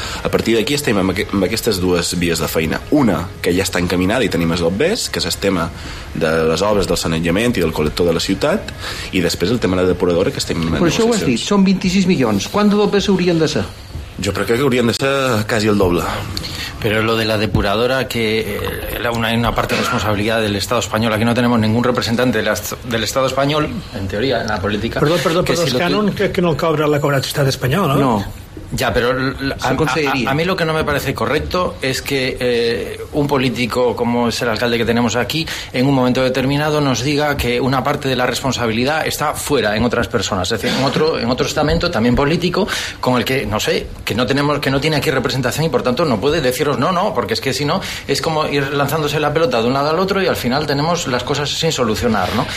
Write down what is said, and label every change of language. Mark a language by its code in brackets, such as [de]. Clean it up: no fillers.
[ca] A partir d'aquí estem amb aquestes dues vies de feina. Una, que ja està encaminada i tenim els obres, que és el tema de les obres del sanejament i del col·lector de la ciutat, i després el tema de la depuradora, que estem... Però això ho has dit, són 26 milions. Quants obres haurien de ser? Jo crec que haurien de ser quasi el doble. [es] Pero lo de la depuradora, que era una parte de responsabilidad del Estado español. Aquí no tenemos ningún representante del Estado español, en teoría, en la política. [ca] Perdó, que si el cànon que no el cobra la Generalitat espanyola, no? [es] Ya, pero a mí lo que no me parece correcto es que un político como es el alcalde que tenemos aquí en un momento determinado nos diga que una parte de la responsabilidad está fuera, en otras personas, es decir, en otro estamento también político con el que, no sé, que no tiene aquí representación y por tanto no puede deciros no, porque es que si no es como ir lanzándose la pelota de un lado al otro y al final tenemos las cosas sin solucionar, ¿no?